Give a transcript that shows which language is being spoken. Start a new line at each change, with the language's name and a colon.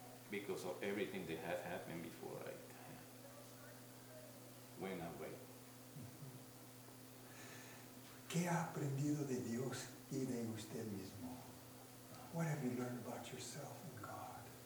English: Because of everything that had happened before, I went away.
Spanish: ¿Qué ha aprendido de Dios y de usted mismo?
English: What have you learned about yourself and God?